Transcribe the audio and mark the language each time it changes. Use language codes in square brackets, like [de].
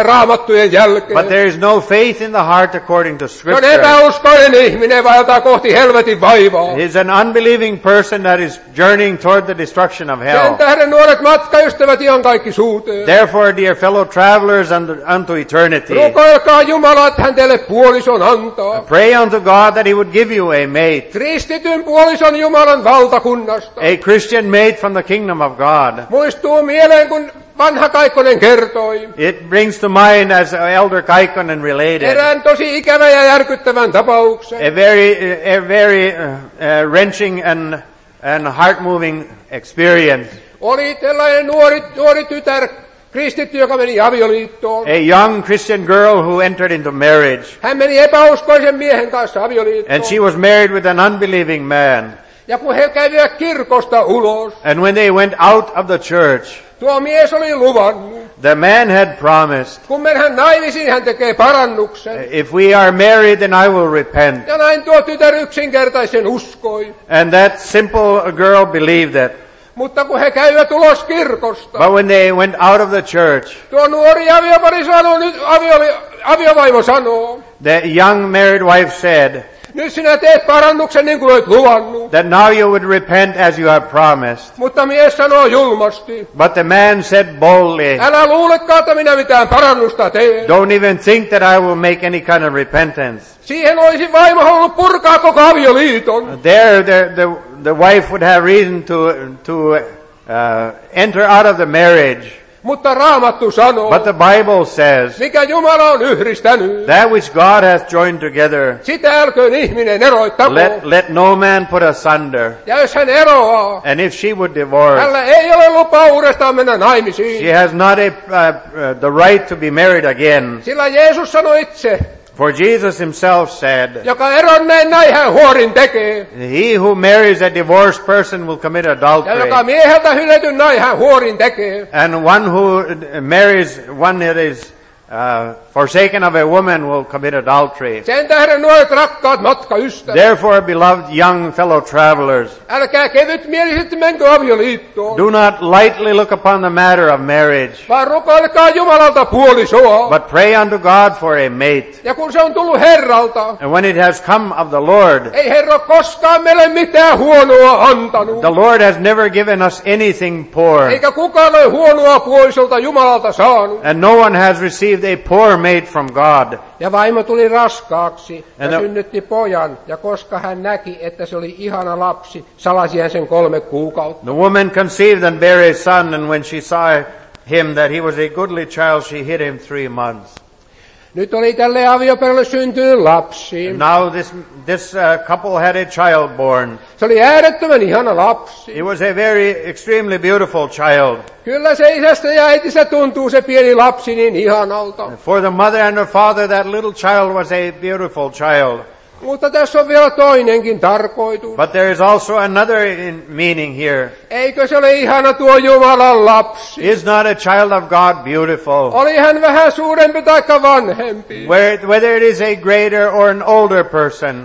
[fi] Raamattujen jälkeen. [en] But there is no faith in the heart according to scripture. [fi] On epäuskoinen ihminen vaeltaa kohti helvetin vaivaa. [en] He is an unbelieving person that is journeying toward the destruction of hell. [fi] Sen tähden nuoret matkaystävät ihan kaikki suuteen. [en] Therefore, dear fellow travelers unto eternity. [fi] Rukoilkaa Jumala, että hän teille puolison antaa. [en] Pray unto God that he would give you a mate. [fi] Kristityn puolison Jumalan valtakunnasta. [en] A Christian mate from the kingdom of God. [fi] Muistuu mieleen, kun vanha Kaikkonen kertoi. [en] It brings to mind as Elder Kaikkonen related. [fi] Erään tosi ikävän ja järkyttävän tapauksen. [en] A very wrenching and heart-moving experience. [fi] Oli tällainen nuori tytär kristitty, joka meni avioliittoon. [en] A young Christian girl who entered into marriage. [fi] Hän meni epäuskoisen miehen kanssa avioliittoon. [en] And she was married with an unbelieving man. [fi] Ja kun he kävivät kirkosta ulos. [en] And when they went out of the church. [fi] Tuo mies oli luvannut. [en] The man had promised. [fi] Kun mennään naimisiin, hän tekee parannuksen. [en] If we are married, then I will repent. [fi] Ja näin tuo tytär yksinkertaisen uskoi. [en] And that simple girl believed it. [fi] Mutta kun he käyvät ulos kirkosta. [en] But when they went out of the church. [fi] Tuo nuori aviopari sanoo, nyt aviovaimo sanoo. [en] The young married wife said. [fi] Nyt sinä teet parannuksen niin kuin olet luvannut. [en] That now you would repent as you have promised. [fi] Mutta mies sanoo julmasti. [en] But the man said boldly. [fi] Älä luulekaan, että minä mitään parannusta teen. [en] Don't even think that I will make any kind of repentance. [fi] Siihen olisi vaimo halunnut purkaa koko avioliiton. [en] There the wife would have reason to enter out of the marriage. [fi] Mutta Raamattu sanoo. [en] But the Bible says. [fi] Mikä Jumala on yhdistänyt. [en] That which God has joined together. [fi] Sitä älköön ihminen eroittako. [en] Let no man put asunder. [fi] Ja jos hän eroaa. [en] And if she would divorce. [fi] Hänellä ei ole lupa uudestaan mennä naimisiin. [en] She has not the right to be married again. [fi] Sillä Jeesus sanoi itse. [en] For Jesus himself said. [fi] Joka eronneen näin hän huorin tekee. [en] He who marries a divorced person will commit adultery. [fi] Ja joka mieheltä hylätyn näin hän huorin tekee. [en] And one who marries one that is forsaken of a woman will commit adultery. [fi] Sen tähden nuoret rakkaat matkaystävät. [en] Therefore, beloved young fellow travelers, [fi] älkää kevytmielisesti menkö avioliittoon. [en] Do not lightly look upon the matter of marriage. [fi] Vaan rukoilkaa Jumalalta puolisoa. [en] But pray unto God for a mate. [fi] Ja kun se on tullut Herralta. [en] And when it has come of the Lord. [fi] Ei Herra koskaan meille mitään huonoa antanut. [en] The Lord has never given us anything poor. [fi] Eikä kukaan ole huonoa puolisolta Jumalalta saanut. [en] And no one has received a poor mate from God. [fi] Ja vaimo tuli raskaaksi ja synnytti pojan, ja koska hän näki, että se oli ihana lapsi, salasi hän sen 3 kuukautta. [en] The woman conceived and bare a son, and when she saw him that he was a goodly child, she hid him 3 months. [fi] Nyt oli tälle avioperolle syntynyt lapsi. [en] And now this couple had a child born. [fi] Se oli äärettömän ihana lapsi. [en] It was a very extremely beautiful child. [fi] Kyllä se isästä ja äitistä tuntuu se pieni lapsi niin ihanalta. [en] For the mother and her father, that little child was a beautiful child. [fi] Mutta tässä on vielä toinenkin tarkoitus. [en] But there is also another meaning here. [fi] Eikö se ole ihana tuo Jumalan lapsi? [en] Is not a child of God beautiful? [fi] Oli hän vähän suurempi taikka vanhempi? [en] Whether it is a greater or an older person.